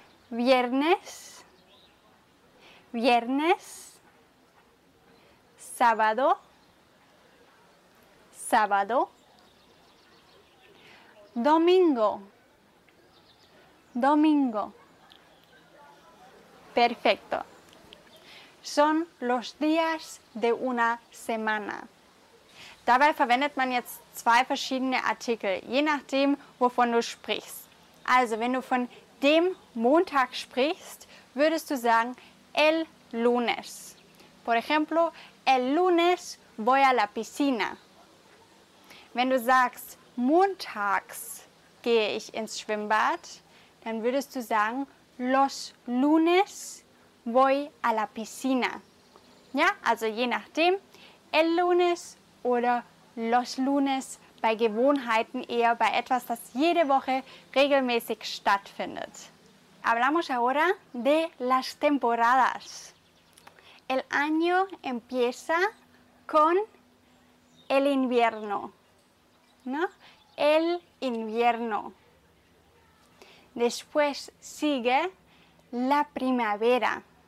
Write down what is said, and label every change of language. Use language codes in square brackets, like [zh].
[es] Viernes. Viernes. Sábado. Sábado. Domingo. Domingo. Perfecto. Son los días de una semana. [de] Dabei verwendet man jetzt zwei verschiedene Artikel, je nachdem, wovon du sprichst. Also, wenn du von dem Montag sprichst, würdest du sagen el lunes. [es] Por ejemplo, el lunes voy a la piscina. [de] Wenn du sagst, montags gehe ich ins Schwimmbad, dann würdest du sagen, [es] los lunes voy a la piscina. [de] Ja, also je nachdem, el lunes oder los lunes, bei Gewohnheiten eher bei etwas, das jede Woche regelmäßig stattfindet. [es] Hablamos ahora de las temporadas. El año empieza con el invierno. ¿No? El invierno. Después sigue la primavera.